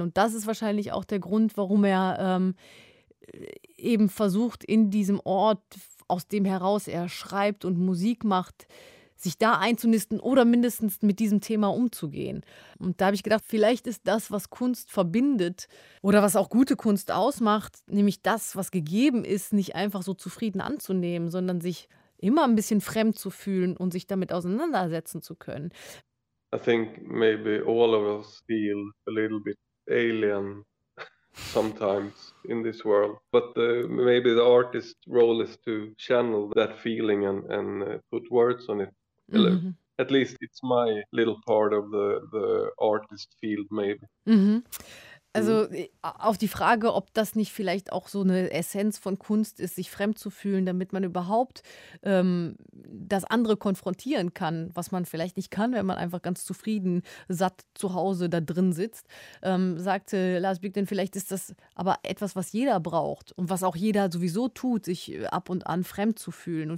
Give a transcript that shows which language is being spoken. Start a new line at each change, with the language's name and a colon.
German: Und das ist wahrscheinlich auch der Grund, warum er eben versucht, in diesem Ort, aus dem heraus er schreibt und Musik macht, sich da einzunisten oder mindestens mit diesem Thema umzugehen. Und da habe ich gedacht, vielleicht ist das, was Kunst verbindet oder was auch gute Kunst ausmacht, nämlich das, was gegeben ist, nicht einfach so zufrieden anzunehmen, sondern sich immer ein bisschen fremd zu fühlen und sich damit auseinandersetzen zu können.
English: I think maybe all of us feel a little bit alien sometimes in this world. But maybe the artist's role is to channel that feeling and put words on it. Mm-hmm. At least it's my little part of the artist field, maybe. Mm-hmm.
German: Also auf die Frage, ob das nicht vielleicht auch so eine Essenz von Kunst ist, sich fremd zu fühlen, damit man überhaupt das andere konfrontieren kann, was man vielleicht nicht kann, wenn man einfach ganz zufrieden, satt zu Hause da drin sitzt, sagte Lars Bigden, vielleicht ist das aber etwas, was jeder braucht und was auch jeder sowieso tut, sich ab und an fremd zu fühlen.